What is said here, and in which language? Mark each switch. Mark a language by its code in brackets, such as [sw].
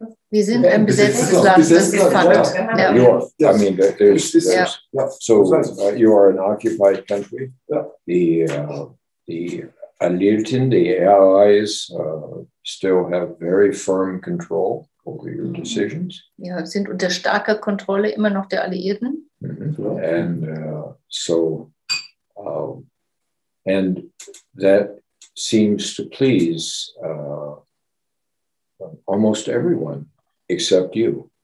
[de] Wir sind ein besetztes Land, das ist gefangen. [en] I mean, there's so you are an occupied country. The Alliierten, the Allies, still have very firm control over your decisions. [de] Ja, sind unter starker Kontrolle immer noch der Alliierten. [en] And so, and that seems to please almost everyone except you.